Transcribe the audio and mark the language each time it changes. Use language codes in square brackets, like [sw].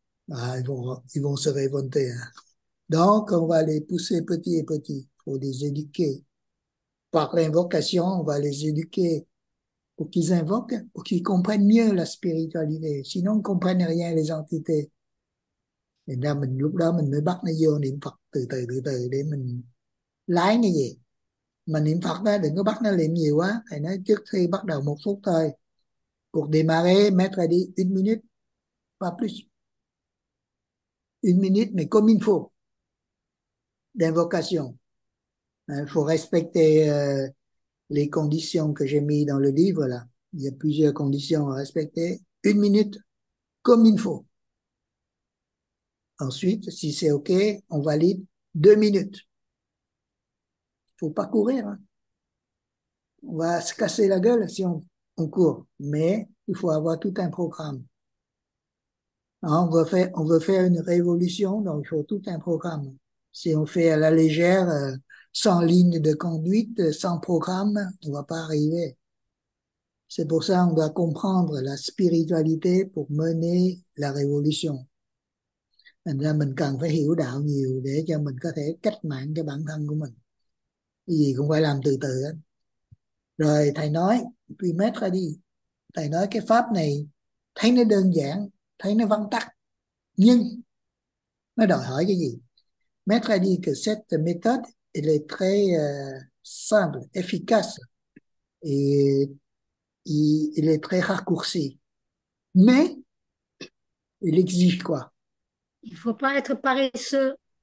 [fr] Ah, ils vont se révolter, hein. Donc on va les pousser petit à petit, pour les éduquer par l'invocation, on va les éduquer pour qu'ils invoquent, pour qu'ils comprennent mieux la spiritualité, sinon ils comprennent rien les entités. [vi] Thì ra mình lúc đó mình mới bắt nó vô niệm Phật từ từ để mình lái nó về. Mà niệm Phật đó đừng có bắt nó niệm nhiều quá. Thầy nói trước khi bắt đầu một phút thôi. [fr] Cuộc démarrer, mettre đi, une minute, pas plus. Une minute, mais comme il faut. D'invocation. Il faut respecter les conditions que j'ai mises dans le livre là. Il y a plusieurs conditions à respecter. Une minute, comme il faut. Ensuite, si c'est OK, on valide 2 minutes. Il ne faut pas courir. Hein. On va se casser la gueule si on court. Mais il faut avoir tout un programme. Hein, on veut faire une révolution, donc il faut tout un programme. Si on fait à la légère, sans ligne de conduite, sans programme, on ne va pas arriver. C'est pour ça qu'on doit comprendre la spiritualité pour mener la révolution. [vi] Thành ra mình cần phải hiểu đạo nhiều để cho mình có thể cách mạng cho bản thân của mình. Cái gì cũng phải làm từ từ. Rồi thầy nói, Quy Mét ra đi. Thầy nói cái pháp này thấy nó đơn giản, thấy nó văn tắc. Nhưng nó đòi hỏi cái gì? [fr] Mét ra đi que cette méthode elle est très simple, efficace et elle est très raccourcie. Mais il exige quoi? Il ne faut pas être paresseux.